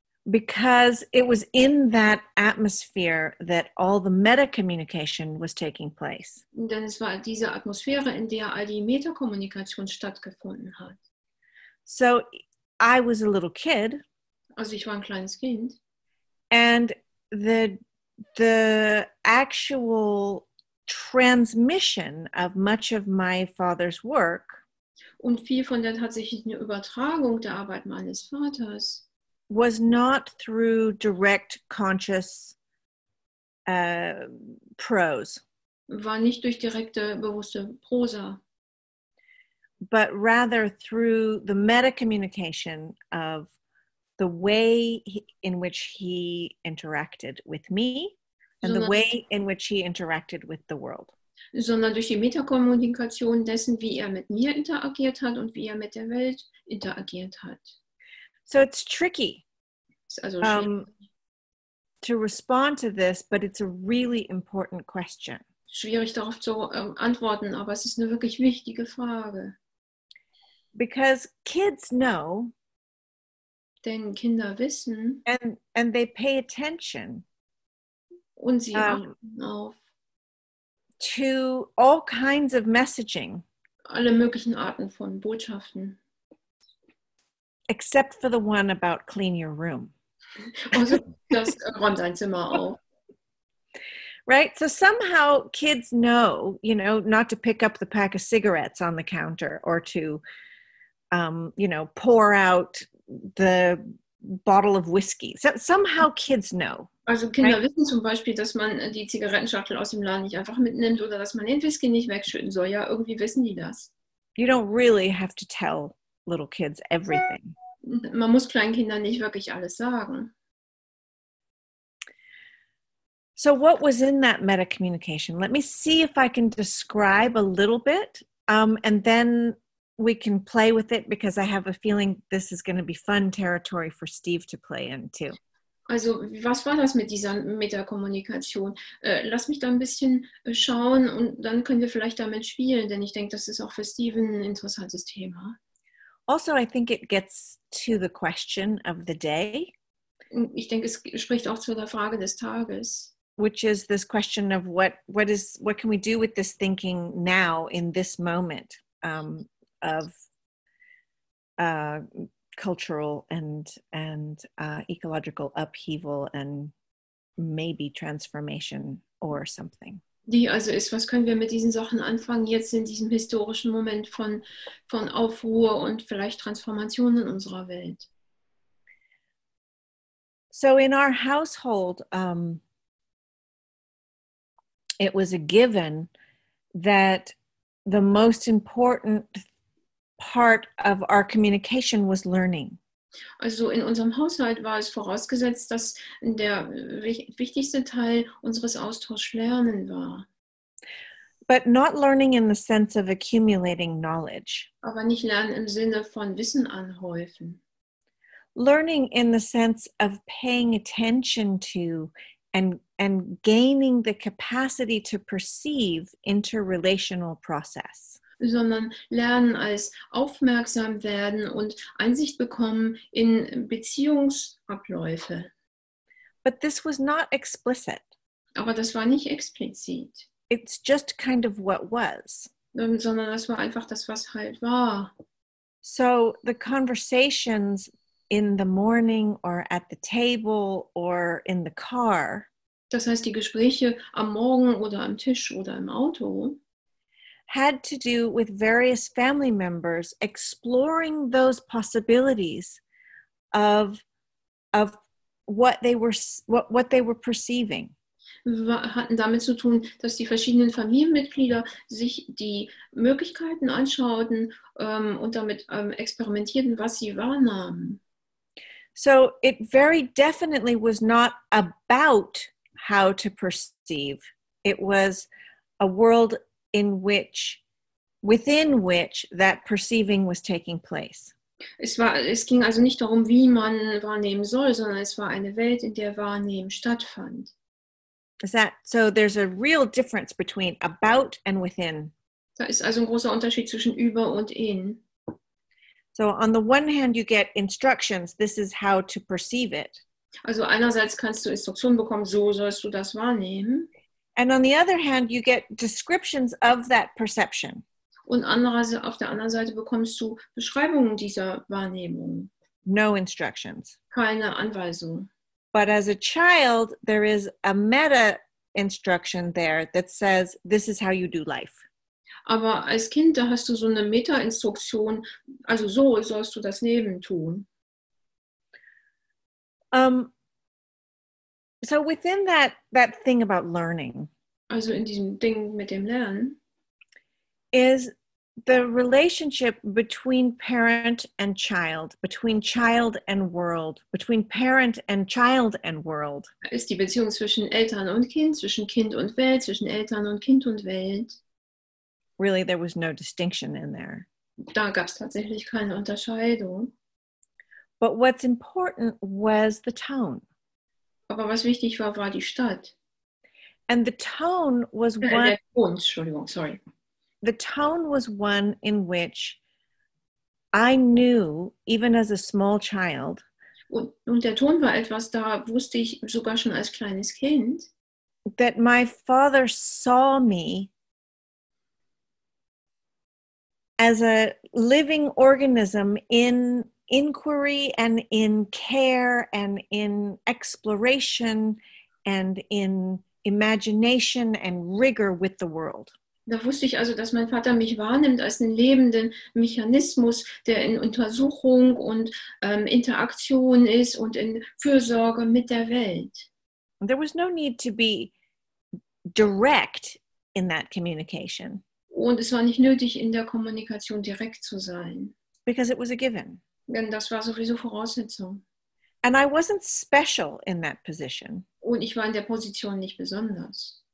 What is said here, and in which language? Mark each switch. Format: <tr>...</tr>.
<en>Because it was in that atmosphere that all the metacommunication was taking place.</en> <de>Denn es war diese Atmosphäre, in der all die Metakommunikation stattgefunden hat.</de> <en>So I was a little kid.</en> <de>Also ich war ein kleines Kind.</de> <en>And the actual transmission of much of my father's work.</en> <de>Und viel von der tatsächlichen Übertragung der Arbeit meines Vaters</de> <en>was not through direct conscious prose.</en> <de>War nicht durch direkte bewusste Prosa.</de> <en>But rather through the metacommunication of the way in which he interacted with me and the way in which he interacted with the world.</en> <de>Sondern durch die Metakommunikation dessen, wie er mit mir interagiert hat und wie er mit der Welt interagiert hat.</de> <en>So it's tricky.</en> <de>Ist also schwierig.</de> <en>To respond to this, but it's a really important question.</en> <de>Schwierig darauf zu antworten, aber es ist eine wirklich wichtige Frage.</de> <en>Because kids know.</en> <de>Denn Kinder wissen.</de> <en>And they pay attention.</en> <de>Und sie achten auf.</de> <en>To all kinds of messaging.</en> <de>Alle möglichen Arten von Botschaften.</de> <en>Except for the one about clean your room.</en> <de>Also, das räumt dein Zimmer auf.</de> <en>Right? So somehow kids know, you know, not to pick up the pack of cigarettes on the counter or to pour out the bottle of whiskey. So, somehow kids know.</en> <de>Also Kinder</de> <en>right?</en> <de>wissen zum Beispiel, dass man die Zigarettenschachtel aus dem Laden nicht einfach mitnimmt oder dass man den Whisky nicht wegschütten soll. Ja, irgendwie wissen die das.</de> <en>You don't really have to tell little kids everything.</en> <de>Man muss kleinen Kindern nicht wirklich alles sagen.</de> <en>So what was in that metacommunication? Let me see if I can describe a little bit and then we can play with it because I have a feeling this is going to be fun territory for Steve to play in too.</en> <de>Also, was war das mit dieser Metakommunikation? Lass mich da ein bisschen schauen und dann können wir vielleicht damit spielen, denn ich denke, das ist auch für Steven ein interessantes Thema.</de> <en>Also, I think it gets to the question of the day.</en> <de>Ich denke, es spricht auch zu der Frage des Tages.</de> <en>Which is this question of what can we do with this thinking now in this moment of cultural and ecological upheaval and maybe transformation or something.</en> <de>Die also ist, was können wir mit diesen Sachen anfangen jetzt in diesem historischen Moment von Aufruhr und vielleicht Transformation in unserer Welt?</de> <en>So in our household, it was a given that the most important part of our communication was learning.</en> <de>Also in unserem Haushalt war es vorausgesetzt, dass der wichtigste Teil unseres Austauschs Lernen war.</de> <en>But not learning in the sense of accumulating knowledge.</en> <de>Aber nicht lernen im Sinne von Wissen anhäufen.</de> <en>Learning in the sense of paying attention to and gaining the capacity to perceive interrelational process.</en> <de>Sondern lernen als aufmerksam werden und Einsicht bekommen in Beziehungsabläufe.</de> <en>But this was not explicit.</en> <de>Aber das war nicht explizit.</de> <en>It's just kind of what was.</en> <de>Sondern das war einfach das, was halt war.</de> <en>So the conversations in the morning or at the table or in the car.</en> <de>Das heißt, die Gespräche am Morgen oder am Tisch oder im Auto</de> <en>had to do with various family members exploring those possibilities of what they were perceiving.</en> <de>Hatten damit zu tun, dass die verschiedenen Familienmitglieder sich die Möglichkeiten anschauten und damit experimentierten, was sie wahrnahmen.</de> <en>So it very definitely was not about how to perceive. It was a world in which, within which that perceiving was taking place.</en> <de>Es ging also nicht darum, wie man wahrnehmen soll, sondern es war eine Welt, in der Wahrnehmen stattfand.</de> <en>So there's a real difference between about and within.</en> <de>Da ist also ein großer Unterschied zwischen über und in.</de> <en>So on the one hand, you get instructions, this is how to perceive it.</en> <de>Also einerseits kannst du Instruktionen bekommen, so sollst du das wahrnehmen.</de> <en>And on the other hand, you get descriptions of that perception.</en> <de>Und auf der anderen Seite bekommst du Beschreibungen dieser Wahrnehmung.</de> <en>No instructions.</en> <de>Keine Anweisung.</de> <en>But as a child, there is a meta instruction there that says, this is how you do life.</en> <de>Aber als Kind, da hast du so eine Meta-Instruktion, also so sollst du das Leben tun.</de> <en>So within that thing about learning,</en> <de>also in diesem Ding mit dem Lernen,</de> <en>is the relationship between parent and child, between child and world, between parent and child and world.</en> <de>Ist die Beziehung zwischen Eltern und Kind, zwischen Kind und Welt, zwischen Eltern und Kind und Welt.</de> <en>Really, there was no distinction in there.</en> <de>Da gab's tatsächlich keine Unterscheidung.</de> <en>But what's important was the tone.</en> <de>Aber was wichtig war, war die Stadt.</de> <en>And the tone was one.</en> <de>Entschuldigung, sorry.</de> <en>The tone was one in which I knew, even as a small child.</en> <de>Und der Ton war etwas, da wusste ich sogar schon als kleines Kind.</de> <en>That my father saw me as a living organism in inquiry and in care and in exploration and in imagination and rigor with the world.</en> <de>Da wusste ich also, dass mein Vater mich wahrnimmt als einen lebenden Mechanismus, der in Untersuchung und Interaktion ist und in Fürsorge mit der Welt.</de> <en>There was no need to be direct in that communication.</en> <de>Und es war nicht nötig, in der Kommunikation direkt zu sein.</de> <en>Because it was a given.</en> <de>Denn das war sowieso Voraussetzung.</de> <en>And I wasn't special in that position.</en> <de>Und ich war in der Position nicht besonders.</de>